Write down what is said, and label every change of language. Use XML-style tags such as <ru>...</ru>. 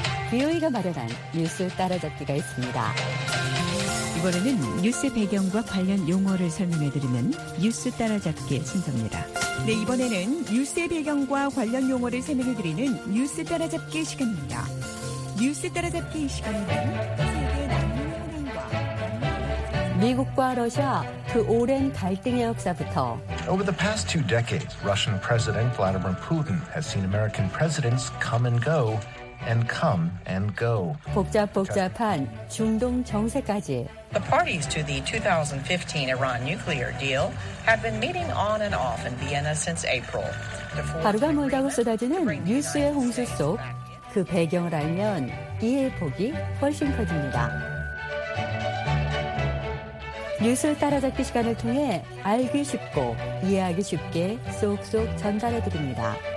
<ko>비오이가 마련한 뉴스 따라잡기가 있습니다. 이번에는 뉴스 배경과 관련 용어를 설명해드리는 뉴스 따라잡기 순서입니다. 네, 이번에는 뉴스의 배경과 관련 용어를 설명해드리는 뉴스 따라잡기 시간입니다. 뉴스 따라잡기 시간은 미국과 러시아 그 오랜 갈등의 역사부터</ko> <en>Over the past two decades, Russian President Vladimir Putin has seen American presidents come and go. And come and go.</en> <ko>복잡복잡한 중동 정세까지.</ko> <en>The parties to the 2015 Iran nuclear deal have been meeting on and off in Vienna since April.</en> <ko>하루가 멀다고 쏟아지는 뉴스의 홍수 속 그 배경을 알면 이해 폭이 훨씬 커집니다. 뉴스 따라잡기 시간을 통해 알기 쉽고 이해하기 쉽게 쏙쏙 전달해 드립니다.</ko>